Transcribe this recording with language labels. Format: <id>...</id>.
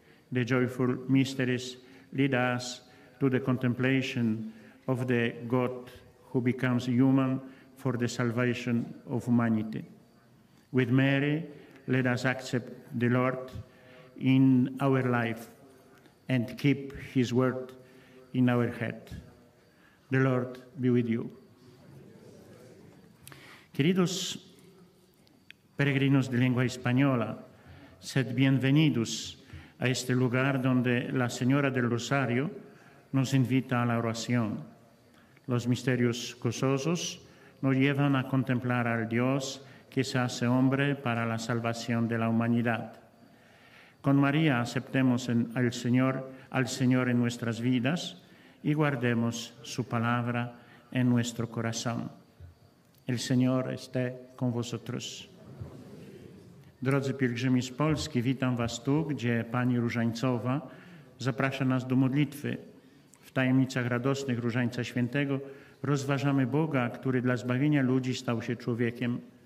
<en>The joyful mysteries lead us to the contemplation of the God who becomes human for the salvation of humanity. With Mary, let us accept the Lord in our life and keep his word in our head. The Lord be with you.</en> <es>Queridos peregrinos de lengua española, sed bienvenidos a este lugar donde la Señora del Rosario nos invita a la oración. Los misterios gozosos nos llevan a contemplar al Dios que se hace hombre para la salvación de la humanidad. Con María aceptemos al Señor en nuestras vidas y guardemos su palabra en nuestro corazón. El Señor esté con vosotros.</es> <pl>Drodzy pielgrzymi z Polski, witam was tu, gdzie Pani Różańcowa zaprasza nas do modlitwy. W tajemnicach radosnych Różańca Świętego rozważamy Boga, który dla zbawienia ludzi stał się człowiekiem.</pl>